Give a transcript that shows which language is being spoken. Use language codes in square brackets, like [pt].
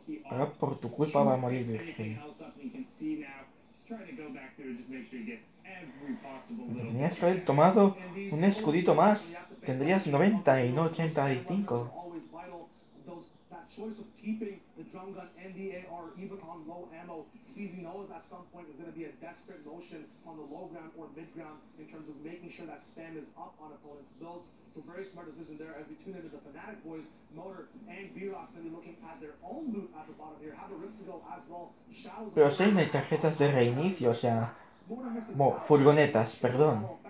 [es] Ahora por tu culpa va a morir virgen. Tenías que haber tomado un escudito más. Tendrías 90 y no 85. [en] Choice of keeping the drum gun and the AR even on low ammo. Speezy knows at some point there's going to be a desperate motion on the low ground or mid ground in terms of making sure that spam is up on opponents' builds. So very smart decision there as we tune into the Fnatic boys. Motor and V-Rox going to be looking at their own loot at the bottom here. Have a rift to go as well. Shadows. [es] Pero sí, no hay tarjetas de reinicio, o sea, furgonetas, perdón.